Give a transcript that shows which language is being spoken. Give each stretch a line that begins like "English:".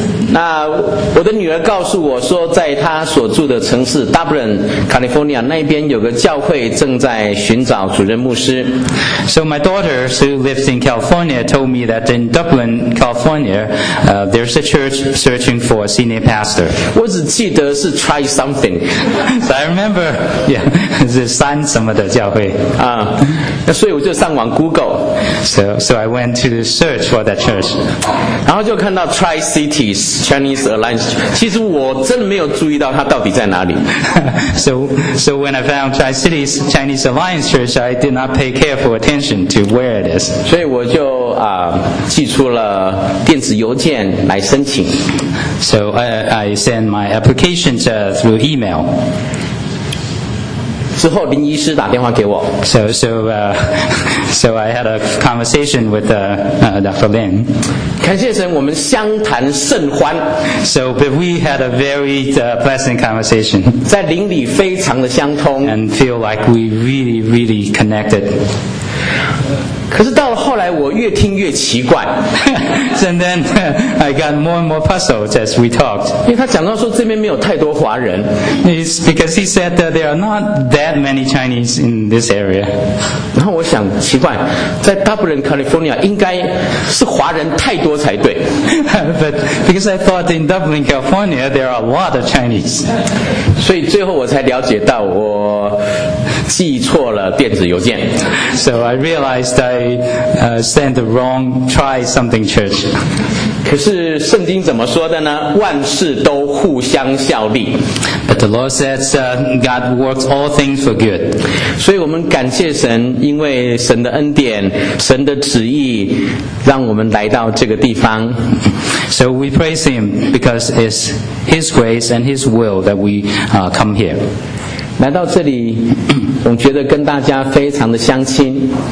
Chinese: 那我的女儿告诉我说，在她所住的城市 Dublin,California 那边有个教会正在寻找主任牧师。
English: So my daughter who lives in California told me that in Dublin, California, there's a church searching for a senior pastor.
Chinese: 我只记得是
English: try something. So I remember, yeah,
Chinese: 是三什么的教会。所以我就上网 Google.
English: So I went to search for that church.
Chinese: 然后就看到 Tri Cities Chinese Alliance. 其实我真的没有注意到它到底在哪里。
English: So when I found Tri-Cities Chinese Alliance Church, I did not pay careful attention to where it is.
Chinese: 所以我就寄出了电子邮件来申请。
English: So I sent my application through email.
Chinese: 之后林医师打电话给我。
English: So I had a conversation with Dr. Lin.
Chinese: 感谢神，我们相谈甚欢。
English: So, but we had a very pleasant conversation.
Chinese: 在灵里非常的相通。
English: And feel like we really, really connected.
Chinese: 可是到了后来，我越听越奇怪。
English: And then I got more and more puzzled as we talked.
Chinese: 因为他讲到说这边没有太多华人。
English: It's because he said that there are not that many Chinese in this area.
Chinese: 然后我想奇怪，在 Dublin, California 应该是华人太多才对。
English: But because I thought in Dublin, California there are a lot of Chinese.
Chinese: 所以最后我才了解到我寄错了电子邮件。
English: So I realized I sent the wrong try something church.
Chinese: 可是圣经怎么说的呢？万事都互相效力。
English: But the Lord says God works all things for good.
Chinese: 所以我们感谢神，因为神的恩典、神的旨意，让我们来到这个地方。
English: So we praise Him because it's His grace and His will that we come here.
Chinese: 来到这里，我觉得跟大家非常的相亲。